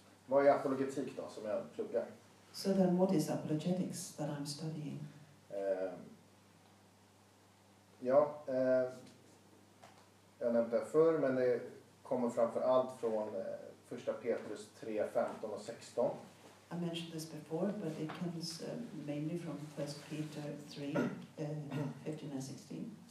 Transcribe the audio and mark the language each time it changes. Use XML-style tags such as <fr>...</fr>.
<sv>Vad är apologetik då som jag pluggar?</sv> <en>So then what is apologetics that I'm studying?</en> <sv>Jag nämnde det förr, men det kommer framför allt från 1 Petrus 3, 15 och 16.</sv> <en>I mentioned this before, but it comes mainly from 1 Peter 3, 15 and 16.</en>